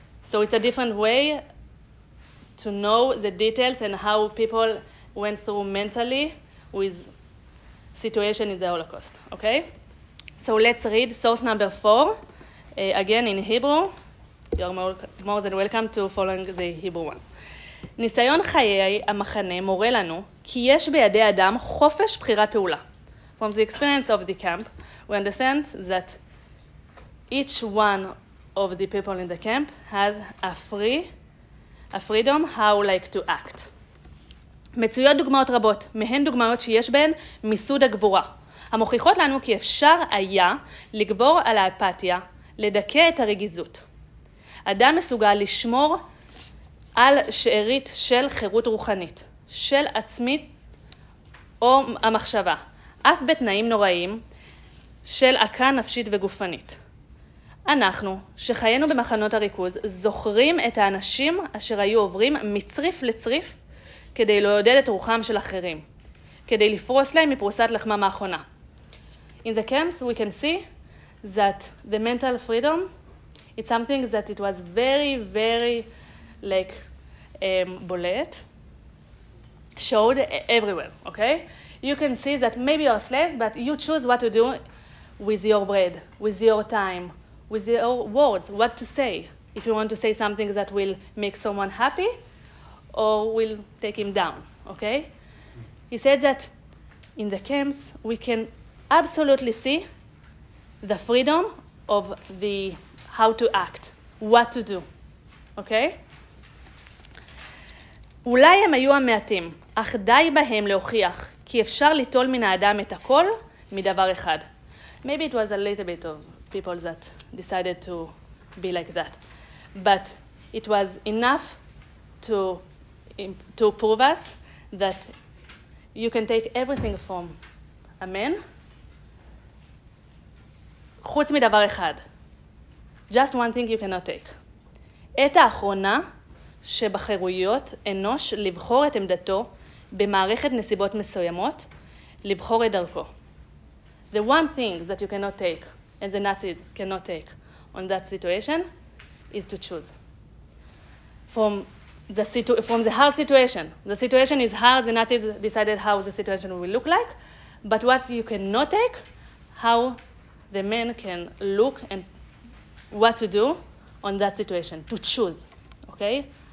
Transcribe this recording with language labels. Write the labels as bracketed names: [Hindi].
[English] So it's a different way to know the details and how people went through mentally with situation in the Holocaust, okay? So let's read source number 4, again in Hebrew. You're more than welcome to following the Hebrew one. [Hebrew] ניסיון חיי המחנה מורה לנו כי יש בידי אדם חופש בחירת פעולה. [English] From the experience of the camp, we understand that each one of the people in the camp has a freedom how like to act. [Hebrew] מצויות דוגמאות רבות, מהן דוגמאות שיש בהן מיסוד הגבורה. המוכיחות לנו כי אפשר היה לגבור על האפתיה, לדכא את הרגיזות. אדם מסוגל לשמור על שארית של חירות רוחנית, של עצמית או המחשבה, אף בתנאים נוראים של עקה נפשית וגופנית. אנחנו, שחיינו במחנות הריכוז, זוכרים את האנשים אשר היו עוברים מצריף לצריף כדי לעודד את רוחם של אחרים, כדי לפרוס להם מפרוסת לחמם האחרונה. [English] In the camps, we can see that the mental freedom, it's something that it was very, very, like, bolet, showed everywhere, okay? You can see that maybe you're a slave, but you choose what to do with your bread, with your time, with your words, what to say. If you want to say something that will make someone happy or will take him down, okay? He said that in the camps, we can absolutely see the freedom of the how to act, what to do, okay? [Hebrew] אולי הם היו המעטים, אך די בהם להוכיח כי אפשר ליטול מן האדם את הכל מדבר אחד. [English] Maybe it was a little bit of people that decided to be like that, but it was enough to prove us that you can take everything from a man [Hebrew] חוץ מדבר אחד. [English] Just one thing you cannot take. [Hebrew] את האחרונה שבחירויות אנוש לבחור את עמדתו במערכת נסיבות מסוימות, לבחור את דרכו. [English] The one thing that you cannot take, and the Nazis cannot take on that situation, is to choose. From the hard situation, the situation is hard, the Nazis decided how the situation will look like, but what you cannot take, how the men can look and what to do on that situation, to choose, okay?